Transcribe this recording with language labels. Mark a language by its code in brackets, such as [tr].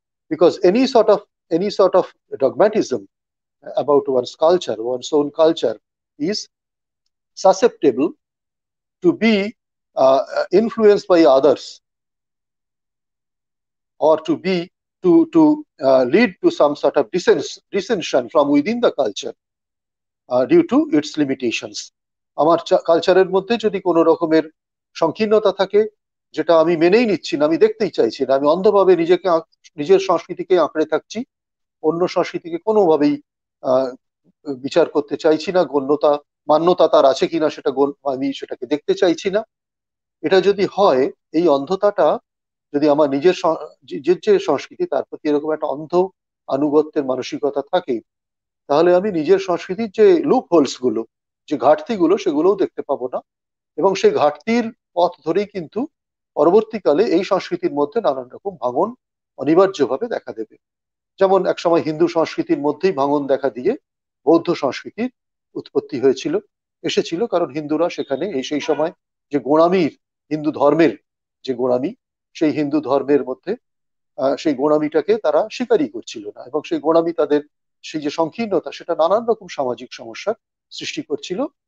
[en] Because any sort of dogmatism about one's culture, one's own culture is susceptible to be influence by others, or to be to lead to some sort of dissension from within the culture due to its limitations. [bn] Amar culture er moddhe jodi kono rokomer sankirnota thake jeta ami menei nichhi na, ami dektei chaichi na, ami andhobhabe nijeke nijer sanskritike akre thakchi, onno sanskritike kono bhabei bichar korte chaichi na, gonnota mannota tar ache kina seta ami shetake dekhte chaichi na, eta jodi hoy ei andhota ta যদি আমার নিজের যে সংস্কৃতি তার প্রতি এরকম একটা অন্ধ আনুগত্যের মানসিকতা থাকে, তাহলে আমি নিজের সংস্কৃতির যে লুপ হোলস গুলো, যে ঘাটতিগুলো, সেগুলোও দেখতে পাবো না, এবং সেই ঘাটতির পথ ধরেই কিন্তু পরবর্তীকালে এই সংস্কৃতির মধ্যে নানান রকম ভাঙন অনিবার্যভাবে দেখা দেবে। যেমন একসময় হিন্দু সংস্কৃতির মধ্যেই ভাঙন দেখা দিয়ে বৌদ্ধ সংস্কৃতির উৎপত্তি হয়েছিল, এসেছিল, কারণ হিন্দুরা সেখানে এই সেই সময় যে গোড়ামির হিন্দু ধর্মের যে গোড়ামি, সেই হিন্দু ধর্মের মধ্যে সেই গোড়ামিটাকে তারা স্বীকারই করছিল না, এবং সেই গোড়ামি তাদের সেই যে সংকীর্ণতা সেটা নানান রকম সামাজিক সমস্যার সৃষ্টি করছিল।